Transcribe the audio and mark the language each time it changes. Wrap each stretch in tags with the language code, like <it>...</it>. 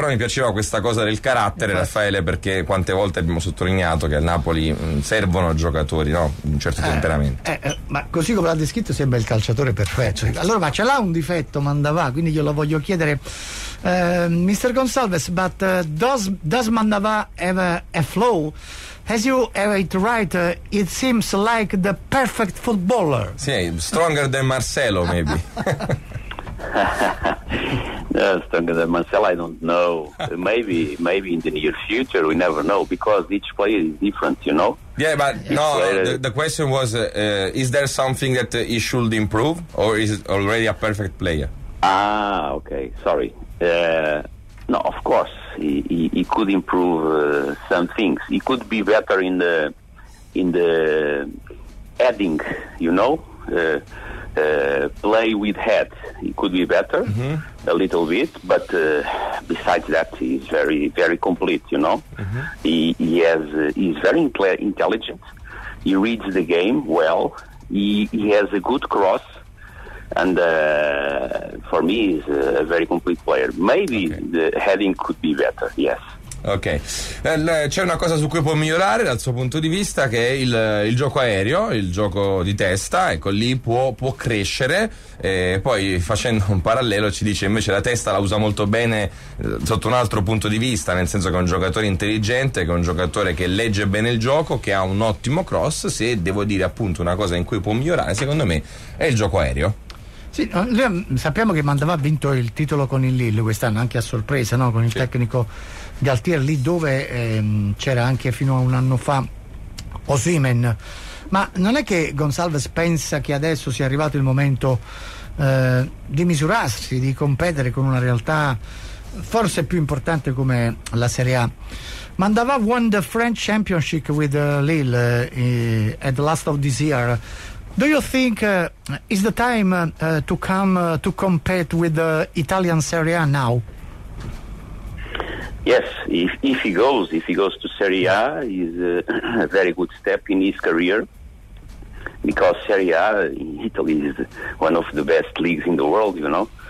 <it>Però mi piaceva questa cosa del carattere, Raffaele, perché quante volte abbiamo sottolineato che al Napoli servono giocatori, no, un certo temperamento, ma così come l'ha descritto sembra il calciatore per allora, ma ce l'ha un difetto Mandava, quindi glielo voglio chiedere, Mr.</it> <en>Gonçalves, but does Mandava have a flow? As you have it right, it seems like the perfect footballer. Sì, stronger than Marcelo, maybe. Stronger than Marcelo, I don't know. Maybe in the near future, we never know, because each player is different, you know? Yeah, but no, the question was, is there something that he should improve, or is it already a perfect player? Ah, okay, sorry. No, of course, he could improve some things. He could be better in the heading, you know, play with head. He could be better a little bit, but besides that, he's very, very complete, you know. He's very intelligent. He reads the game well. He has a good cross. And for me, he's a very complete player. Maybe the heading could be better, yes.</en> <it>Ok, c'è una cosa su cui può migliorare dal suo punto di vista, che è il gioco aereo, il gioco di testa, ecco lì può crescere. E poi, facendo un parallelo, ci dice invece la testa la usa molto bene sotto un altro punto di vista, nel senso che è un giocatore intelligente, che è un giocatore che legge bene il gioco, che ha un ottimo cross. Se devo dire appunto una cosa in cui può migliorare, secondo me è il gioco aereo. Sì, sappiamo che Mandanda ha vinto il titolo con il Lille quest'anno, anche a sorpresa, no? Con il tecnico Galtier, lì dove c'era anche fino a un anno fa Osimhen. Ma non è che Gonçalves pensa che adesso sia arrivato il momento di misurarsi, di competere con una realtà forse più importante come la Serie A?</it> <en>Mandanda won the French Championship with Lille at the last of this year. Do you think is the time to come to compete with the Italian Serie A now? Yes, if he goes to Serie A, is a very good step in his career, because Serie A in Italy is one of the best leagues in the world, you know.</en>